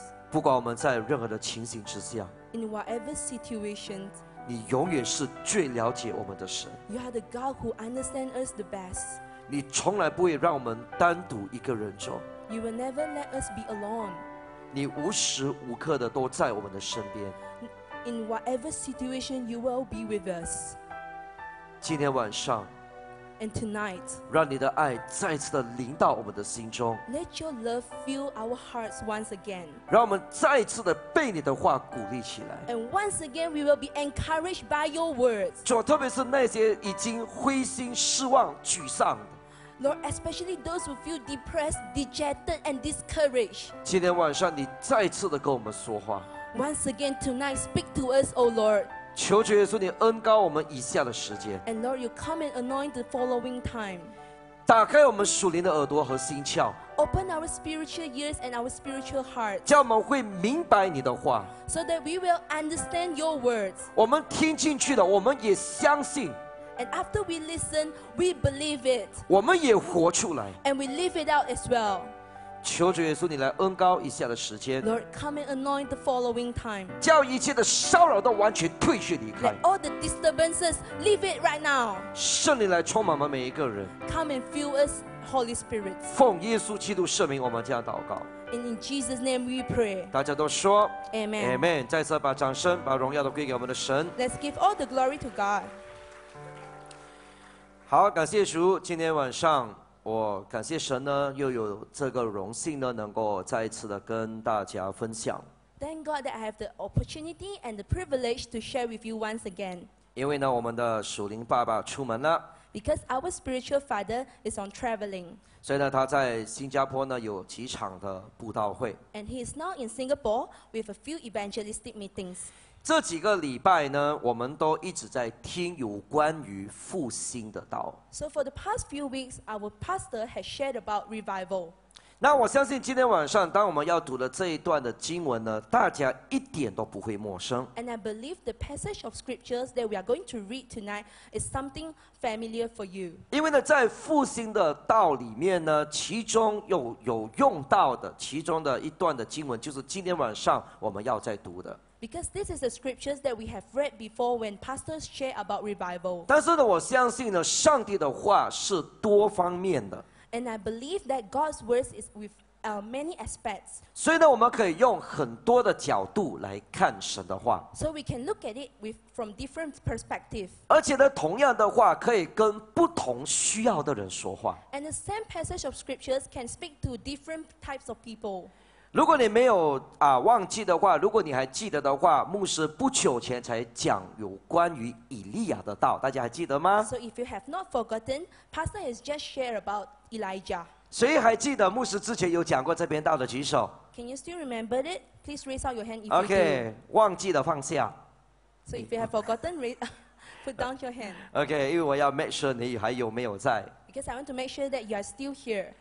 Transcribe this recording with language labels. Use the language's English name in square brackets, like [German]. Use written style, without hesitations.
[Chinese] 不管我们在任何的情形之下 [English] ，In whatever situation. [Chinese] 你永远是最了解我们的神。 [English] You are the God who understands us the best. [Chinese] 你从来不会让我们单独一个人走。 [English] You will never let us be alone. [Chinese] 你无时无刻的都在我们的身边。 [English] In whatever situation, you will be with us. [Chinese] 今天晚上。 [English] And tonight, [Chinese] 让你的爱再次的临到我们的心中。 [English] Let your love fill our hearts once again. [Chinese] 让我们再次的被你的话鼓励起来。 [English] And once again, we will be encouraged by your words. [Chinese] 主，特别是那些已经灰心、失望、沮丧的。 [English] Lord, especially those who feel depressed, dejected, and discouraged. [Chinese] 今天晚上，你再次的跟我们说话。 [English] Once again tonight, speak to us, O Lord. [Chinese] 求主耶稣，你恩膏我们以下的时间。 [English] And Lord, you come and anoint the following time. [Chinese] 打开我们属灵的耳朵和心窍。 [English] Open our spiritual ears and our spiritual hearts. [Chinese] 叫我们会明白你的话。 [English] So that we will understand your words. [Chinese] 我们听进去的，我们也相信。 [English] And after we listen, we believe it. [Chinese] 我们也活出来。 [English] And we live it out as well. [Chinese] 求主耶稣，你来恩膏以下的时间。 [English] Lord, come and anoint the following time. [Chinese] 叫一切的骚扰都完全退去离开。 [English] Let all the disturbances leave it right now. [Chinese] 圣灵来充满我们每一个人。 [English] Come and fill us, Holy Spirit. [Chinese] 奉耶稣基督圣名，我们这样祷告。 [English] And in Jesus' name we pray. [Chinese] 大家都说 [English] ，Amen. Amen. [Chinese] 再次把掌声、把荣耀都归给我们的神。 [English] Let's give all the glory to God. [Chinese] 好，感谢主，今天晚上。我感谢神呢，又有这个荣幸呢，能够再一次的跟大家分享。 [English] Thank God that I have the opportunity and the privilege to share with you once again. [Chinese] 因为呢，我们的属灵爸爸出门了。 [English] Because our spiritual father is on traveling. [Chinese] 所以呢，他在新加坡呢有几场的布道会。 [English] And he is now in Singapore with a few evangelistic meetings. [Chinese] 这几个礼拜呢，我们都一直在听有关于复兴的道。 [English] So for the past few weeks, our pastor has shared about revival. [Chinese] 那我相信今天晚上，当我们要读的这一段的经文呢，大家一点都不会陌生。 [English] And I believe the passage of scriptures that we are going to read tonight is something familiar for you. [Chinese] 因为呢，在复兴的道里面呢，其中有用到的，其中的一段的经文就是今天晚上我们要再读的。 [English] Because this is the scriptures that we have read before when pastors share about revival. [Chinese] 但是呢，我相信呢，上帝的话是多方面的。 [English] And I believe that God's words is with many aspects. [Chinese] 所以呢，我们可以用很多的角度来看神的话。 [English] So we can look at it with from different perspectives. [Chinese] 而且呢，同样的话可以跟不同需要的人说话。 [English] And the same passage of scriptures can speak to different types of people. [Chinese] 如果你没有忘记的话，如果你还记得的话，牧师不久前才讲有关于以利亚的道，大家还记得吗 [English] ？So if you have not forgotten, Pastor has just shared about Elijah. [Chinese] 谁还记得牧师之前有讲过这篇道的举手 [English] ？Can you still remember it? Please raise out your hand if you do. [Chinese] Okay, 忘记的放下。 [English] So if you have forgotten, put down your hand. [Chinese] Okay, 因为我要 [English] make sure [Chinese] 你还有没有在。 [English] Because I want to make sure that you are still here.